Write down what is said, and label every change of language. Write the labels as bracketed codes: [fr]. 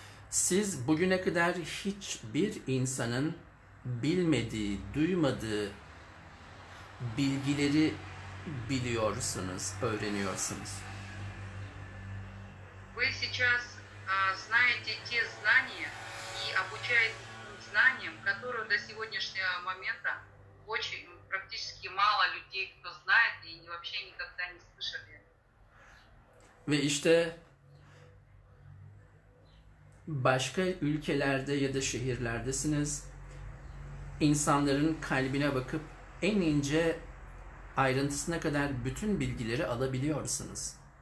[tr] Siz bugüne kadar hiçbir insanın bilmediği, duymadığı bilgileri biliyorsunuz, öğreniyorsunuz. [ru] Вы сейчас знаете те знания и обучаетесь знаниям, которые до сегодняшнего момента очень практически мало людей, кто знает и вообще никогда не слышали. [tr] Ve işte başka ülkelerde ya da şehirlerdesiniz. İnsanların kalbine bakıp en ince ayrıntısına kadar bütün bilgileri alabiliyorsunuz.